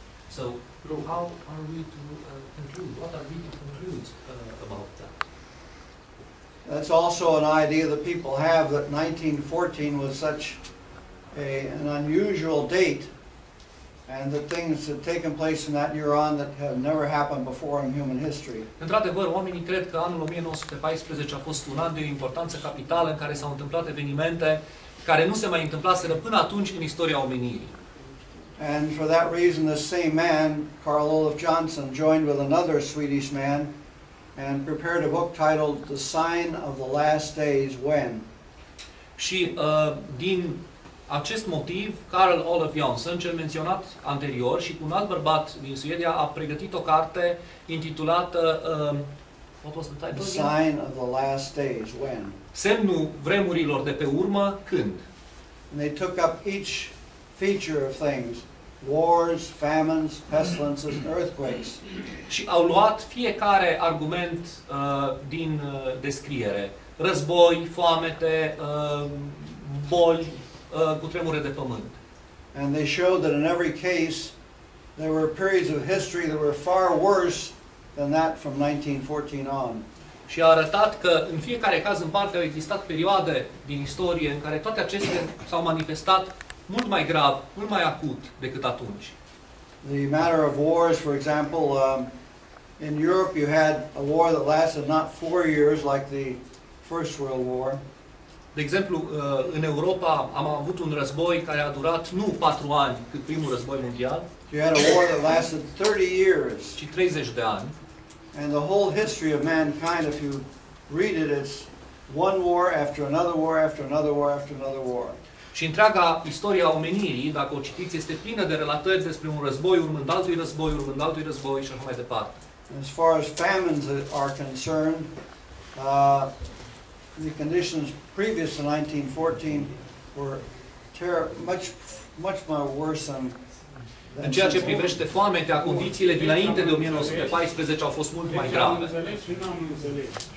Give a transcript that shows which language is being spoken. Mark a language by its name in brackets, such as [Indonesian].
[English] so how are we to conclude what are we to conclude about that? That's also an idea that people have that 1914 was such an unusual date and that things have taken place in that year on that have never happened before in human history. [Romanian] Într-adevăr, oamenii cred că anul 1914 a fost un an de importanță capitală în care s-au întâmplat evenimente care nu se mai întâmplaseră până atunci în istoria omenirii. [English] And for that reason the same man, Carl Olof Johnson, joined with another Swedish man and prepared a book titled The Sign of the Last Days When. [Romanian] Și din acest motiv, Carl Olof Johnson, cel menționat anterior și cu un alt bărbat din Suedia a pregătit o carte intitulată [English] what was the title? The Sign of the Last Days When. [Romanian] Semnul vremurilor de pe urmă, când? [English] and they took up each feature of things, wars, famines, pestilences, earthquakes. [Romanian] Și au luat fiecare argument din descriere. Război, foamete, boli, cutremure de pământ. [English] And they showed that in every case there were periods of history that were far worse than that from 1914 on. [Romanian] Și a arătat că în fiecare caz în parte au existat perioade din istorie în care toate acestea s-au manifestat mult mai grav, mult mai acut decât atunci. [English] The matter of wars, for example, in Europe you had a war that lasted not 4 years like the First World War. [Romanian] De exemplu, în Europa am avut un război care a durat nu 4 ani, cât primul război mondial. [English] You had a war that lasted 30 years. [Romanian] Ci 30 de ani. [English] And the whole history of mankind, if you read it, it's one war after another war after another war after another war. [Romanian] Și întreaga istoria omenirii, dacă o citiți, este plină de relatări despre un război urmând altui război, urmând altui război și așa mai departe. [English] As far as famines are concerned, the conditions previous to 1914 were much more worse than. [Romanian] În ceea ce privește foametea, condițiile dinainte de 1914 au fost mult mai grave. Am înțeles și n-am înțeles.